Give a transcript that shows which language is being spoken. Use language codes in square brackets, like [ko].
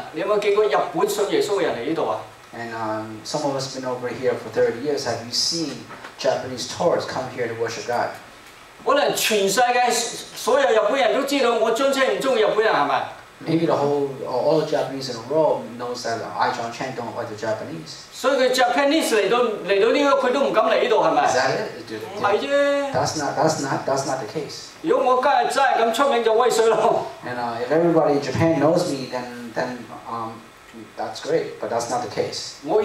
[zh] 阿芬啊,你来了这30多年了,你有没有见过日本信耶稣的人来这里啊? [en] And some of us have been over here for 30 years, have you seen Japanese tourists come here to worship God? [zh] 可能全世界所有日本人都知道我John Chen不喜欢日本人,是吧? [en] Maybe the whole, all the Japanese in the world knows that I, John Chen, don't like the Japanese. So the Japanese [zh] 来到这里,他都不敢来这里,是吧? [en] Is that it? That's not the case. [zh] 如果我今天真的这么出名,就威水了。 [en] And if everybody in Japan knows me, then that's great, but that's not the case.